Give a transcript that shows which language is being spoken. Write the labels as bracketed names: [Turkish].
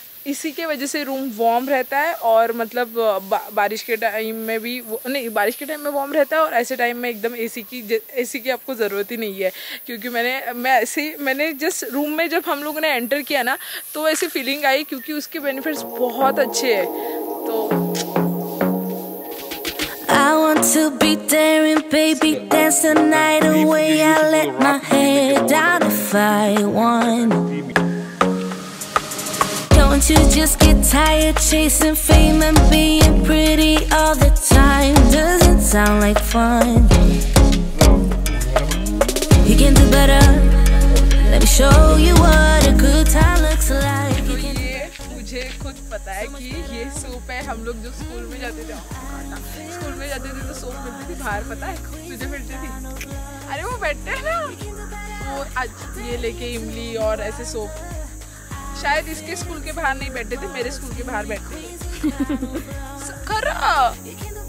[Hindi] इसी के वजह से रूम वार्म रहता है और मतलब बारिश के टाइम में भी नहीं, बारिश के टाइम में वार्म रहता है और ऐसे टाइम में एकदम एसी की आपको ज़रूरत ही नहीं है, क्योंकि मैंने जस्ट रूम में जब हम लोगों ने एंटर किया ना तो ऐसी फीलिंग आई, क्योंकि उसके बेनिफिट्स बहुत अच्छे है। तो [English] I want to be daring, baby, dance the night away. I let my head down if I want. Don't you just get tired chasing fame and being pretty all the time? Doesn't sound like fun. You can do better. Let me show you what a good time looks like. [Hindi] मुझे खुद पता है कि ये soap है, हम लोग जो स्कूल में जाते थे, स्कूल में जाते थे तो सोप मिलती थी बाहर, पता है मुझे मिलती थी। अरे वो बैठे ना, वो आज ये लेके इमली और ऐसे सोप, शायद इसके स्कूल के बाहर नहीं बैठे थे, मेरे स्कूल के बाहर बैठे थे।